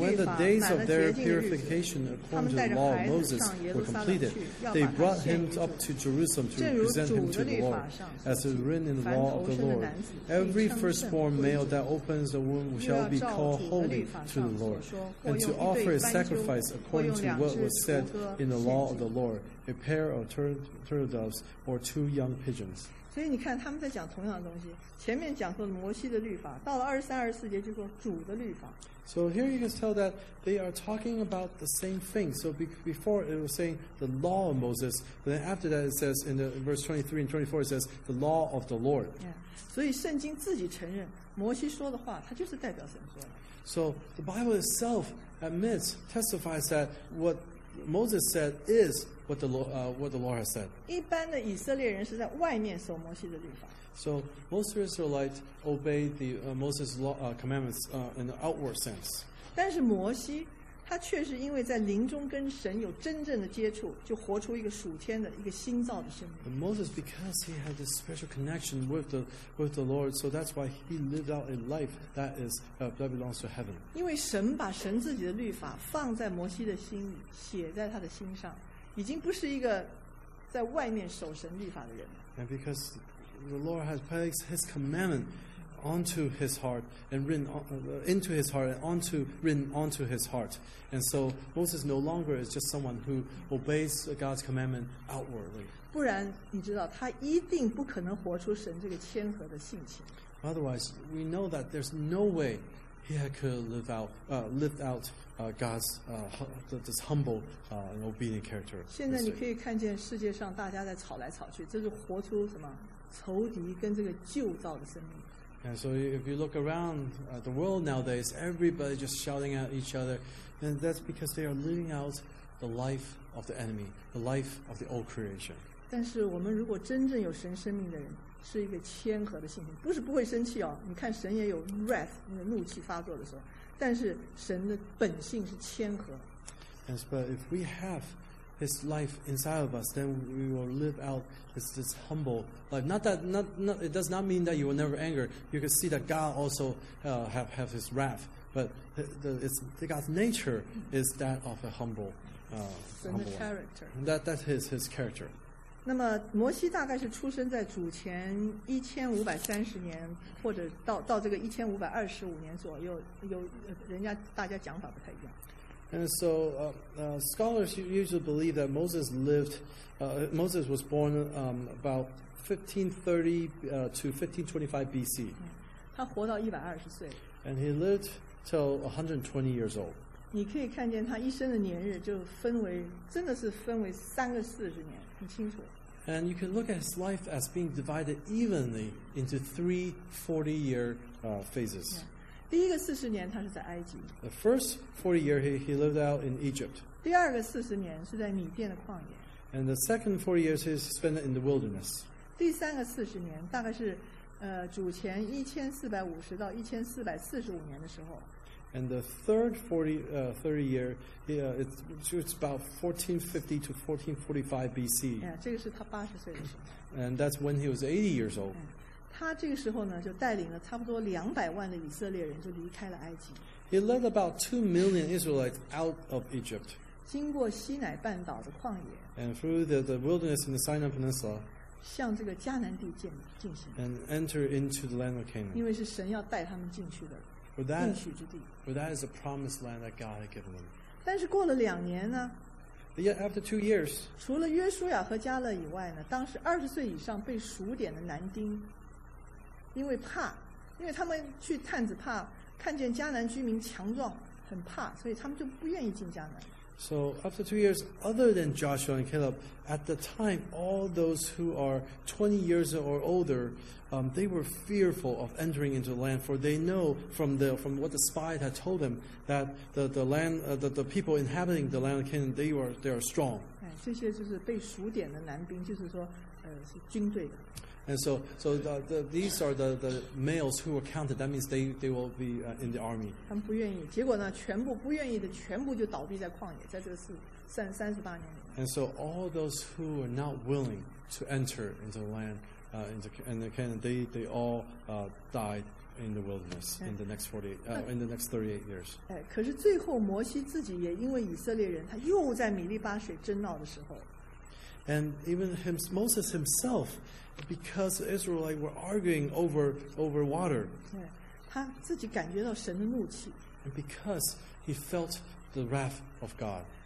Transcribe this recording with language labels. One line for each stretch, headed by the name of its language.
English: And when the days of their purification according to the law of Moses were completed, they brought him up to Jerusalem to present him to the Lord, as is written in the law of the Lord. Every firstborn male that opens the womb shall be called holy to the Lord, and to offer a sacrifice according to what was said in the law of the Lord, a pair of turtle doves or two young pigeons.
Chinese: 所以你看他们在讲同样的东西，前面讲说摩西的律法，到了23-24节就说主的律法。
English: So here you can tell that they are talking about the same thing. So before it was saying the law of Moses, but then after that it says in verse 23 and 24 it says the law of the Lord. Yeah.
Chinese: 所以圣经自己承认摩西说的话，它就是代表神说的。
English: So the Bible itself admits, testifies that what Moses said is. What the Lord has said.
Chinese: 一般的以色列人是在外面守摩西的律法。
English: So most Israelites obey the Moses' law, commandments in the outward sense.
Chinese: 但是摩西，他却是因为在灵中跟神有真正的接触，就活出一个属天的一个新造的生命。
English: But Moses, because he had this special connection with the Lord, so that's why he lived out a life that belongs to heaven.
Chinese: 因为神把神自己的律法放在摩西的心里，写在他的心上。已经不是一个在外面守神律法的人了。
English: And because the Lord has placed His commandment onto His heart and written into His heart and written onto His heart, and so Moses no longer is just someone who obeys God's commandment outwardly.
Chinese: 不然，你知道他一定不可能活出神这个谦和的性情。
English: Otherwise, we know that there's no way he could live out. God's this humble and obedient character.
Chinese: 现在你可以看见世界上大家在吵来吵去，这是活出什么仇敌跟这个旧造的生命。
English: And so if you look around the world nowadays, everybody just shouting at each other, and that's because they are living out the life of the enemy, the life of the old creation.
Chinese: 但是我们如果真正有神生命的人，是一个谦和的性情，不是不会生气哦。你看神也有 wrath 那个怒气发作的时候。但是神的本性是谦和。
English: Yes, but if we have His life inside of us, then we will live out this humble life. It does not mean that you will never anger. You can see that God also have His wrath, but the God's nature is that of a humble, character. That's his character.
Chinese: 那么摩西大概是出生在主前1530年，或者到这个1525年左右，有大家讲法不太一样。
English: And so scholars usually believe that Moses was born about 1530 to 1525 BC.
Chinese: 他活到120岁。
English: And he lived till 120 years old.
Chinese: 你可以看见他一生的年日就真的是分为三个40年，很清楚。
English: And you can look at his life as being divided evenly into three 40-year phases. Yeah.
Chinese: 第一个四十年，他是在埃及。
English: The first 40 years he lived out in Egypt.
Chinese: 第二个四十年是在米甸的旷野。
English: And the second 40 years he spent in the wilderness.
Chinese: 第三个四十年大概是，主前1450到1445年的时候。
English: And the third 30 years it's about 1450 to 1445 BC.
Chinese: 这个是他八十岁的时候。
English: And that's when he was 80 years old.
Chinese: 他这个时候呢，就带领了差不多200万的以色列人，就离开了埃及。
English: He led about 2 million Israelites out of Egypt.
Chinese: 经过西乃半岛的旷野。
English: And through the wilderness in the Sinai Peninsula.
Chinese: 向这个迦南地进行。
English: And enter into the land of Canaan.
Chinese: 因为是神要带他们进去的应许之地。
English: For that is a promised land that God had given them.
Chinese: 但是过了两年呢？
English: Yet after 2 years.
Chinese: 除了约书亚和迦勒以外呢，当时20岁以上被数点的男丁。因为怕，因为他们去探子怕看见迦南居民强壮，很怕，所以他们就不愿意进迦南。
English: So after 2 years, other than Joshua and Caleb, at the time, all those who are 20 years or older, they were fearful of entering into the land, for they know from what the spy had told them that the people inhabiting the land of Canaan, they are strong.
Chinese: 哎，这些就是被数点的男兵，就是说，是军队的。
English: And so the these are the males who were counted. That means they will be in the army.
Chinese: 他们不愿意，结果呢，全部不愿意的全部就倒闭在旷野，在这38年里。
English: And so all those who are not willing to enter into the land, into Canaan, they all died in the wilderness in the next 38 years.
Chinese: 哎，可是最后摩西自己也因为以色列人，他又在米利巴水争闹的时候。
English: And even Moses himself, because the Israelites were arguing over water.
Chinese: 对，他自己感觉到神的怒气。
English: And because he felt the wrath of God.